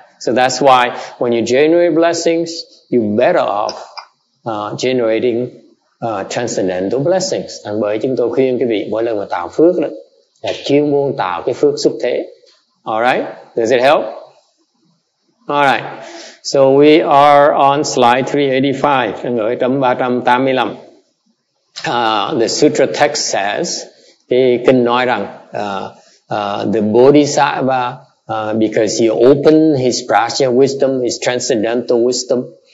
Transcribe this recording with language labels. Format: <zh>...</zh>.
<en>So that's why when you generate blessings, you're better off generating transcendental blessings.</en> <vi>And bởi chúng tôi khuyên quý vị mỗi lần mà tạo phước đó là chuyên môn tạo cái phước xuất thế.</vi> <en>All right? Does it help? All right. So we are on slide 385,</en> <vi>đang ở trong 385.</vi> <en>The sutra text says,</en> <vi>cái kinh nói rằng</vi> <en>the bodhisattva because he opened his prajna wisdom, his transcendental wisdom.</en>